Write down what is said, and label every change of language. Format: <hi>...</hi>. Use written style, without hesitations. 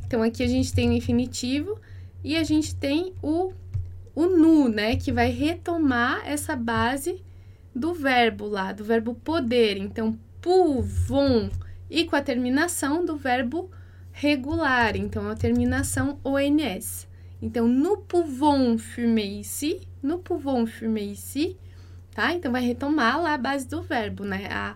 <pt>Então, aqui a gente tem o infinitivo e a gente tem o nous, né? Que vai retomar essa base do verbo lá, do verbo poder. Então, pouvons, e com a terminação do verbo regular. Então, a terminação ons.</pt> <fr>Então, nous pouvons fumer ici, nous pouvons fumer ici, tá?</fr> <pt>Então, vai retomar lá a base do verbo, né?</pt>